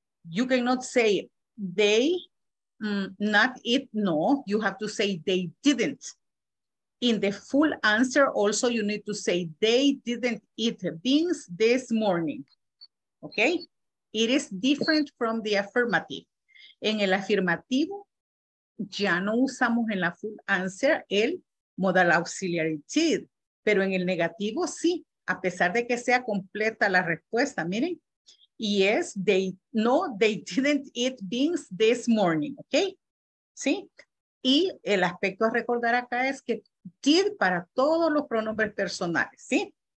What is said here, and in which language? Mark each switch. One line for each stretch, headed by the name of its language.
English: You cannot say they not eat. No, you have to say they didn't. In the full answer also, you need to say they didn't eat beans this morning. Okay? It is different from the affirmative.
Spanish: En el afirmativo, ya no usamos en la full answer el modal auxiliary did, pero en el negativo sí, a pesar de que sea completa la respuesta, miren.
English: Yes, they didn't eat beans this morning, okay?
Spanish: ¿Sí? Y el aspecto a recordar acá es que did para todos los pronombres personales, ¿sí?